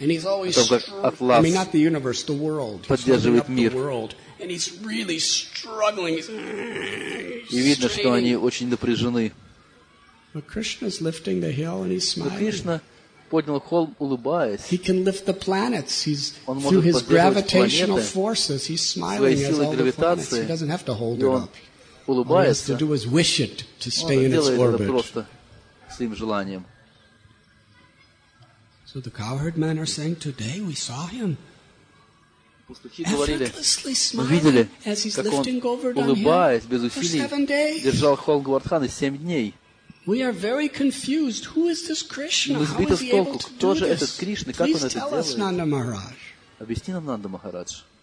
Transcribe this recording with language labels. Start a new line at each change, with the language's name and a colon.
English: and he's always struggling. I mean, not the universe, the world.
Russian: Поддерживает мир.
English: The world, and he's really struggling. He's
Russian: и видно, что они очень напряжены.
English: But Krishna's lifting the hill, and he's smiling.
Russian: Кришна поднял холм, улыбаясь.
English: He can lift the planets. He's
Russian: он
English: through his gravitational
Russian: планеты,
English: forces. He's smiling as all the planets. He doesn't have to hold it up.
Russian: Улыбается.
English: All he has to do is wish it to stay in its orbit.
Russian: Своим желанием.
English: So the cowherd men are saying, today we saw him.
Russian: пастухи говорили, увидели, как он, улыбаясь, без усилий, держал холм Говардханы 7 дней.
English: We are very confused. Who is this Krishna?
Russian: Мы сбиты с толку. Кто же этот Кришна? Как он это делает? Объясни нам, Нанда Махарадж.